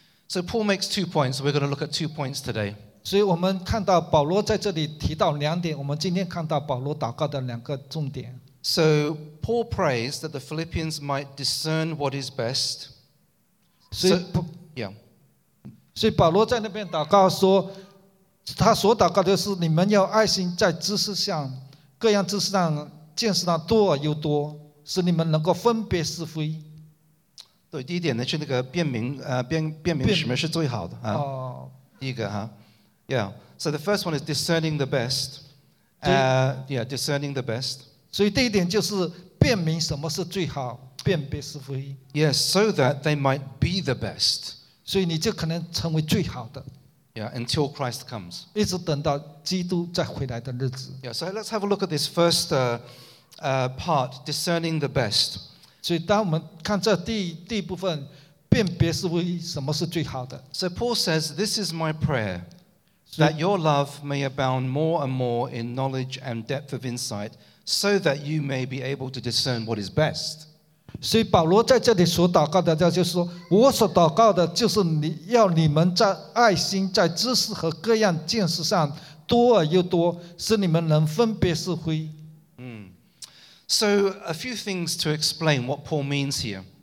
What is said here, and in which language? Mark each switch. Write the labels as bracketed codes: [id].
[en] So Paul makes two points. We're going to look at two points today. [zh] 所以我们看到保罗在这里提到两点。我们今天看到保罗祷告的两个重点。 [en] So Paul prays that the Philippians might discern what is best. [zh] 所以保罗在那边祷告说，他所祷告的是你们要爱心在知识上、各样知识上、见识上多又多，使你们能够分别是非。对，第一点呢，是那个辨明，辨明什么是最好的啊。哦，第一个哈 ，Yeah. [en] So the first one is discerning the best. Discerning the best. [zh] 所以第一点就是辨明什么是最好，辨别是非。 [en] Yes, so that they might be the best. [zh] 所以你就可能成为最好的。 [en] Yeah, until Christ comes. [zh] 一直等到基督再回来的日子。 [en] Yeah, so let's have a look at this first part, discerning the best. [zh] 所以当我们看这第一部分，辨别是为什么是最好的。 [en] So Paul says, "This is my prayer, that your love may abound more and more in knowledge and depth of insight, so that you may be able to discern what is best." [zh] 所以保罗在这里所祷告的，就是说，我所祷告的就是你要你们在爱心、在知识和各样见识上多而又多，使你们能分别是非。 [en] So a few things to explain what Paul means here.